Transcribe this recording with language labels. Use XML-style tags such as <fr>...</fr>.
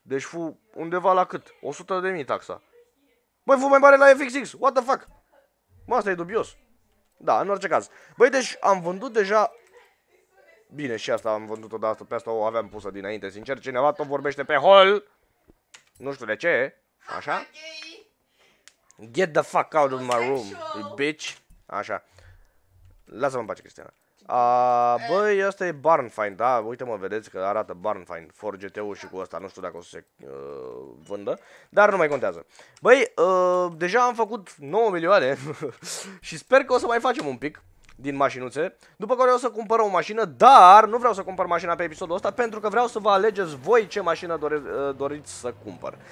<ro>Deci fu undeva la cât? 100.000 taxa. Băi, fu mai mare la FXX. What the fuck? Mă, asta e dubios. Da, în orice caz. Băi, deci am vândut deja... Bine, și asta am vândut-o, dar pe asta o aveam pusă dinainte, sincer, cineva tot vorbește pe hol. Nu știu de ce, așa?</ro> <en>Get the fuck out of my room, bitch.</en> <ro>Așa. Lasă-mă în pace, Cristiana. Băi, ăsta e Barn Find, da? Uite-mă, vedeți că arată Barn Find, Ford GT-ul și cu ăsta, nu știu dacă o să se vândă, dar nu mai contează. Băi, deja am făcut 9 milioane și sper că o să mai facem un pic din mașinuțe, după care o să cumpăr o mașină, dar nu vreau să cumpăr mașina pe episodul ăsta, pentru că vreau să vă alegeți voi ce mașină doriți să cumpăr.</ro>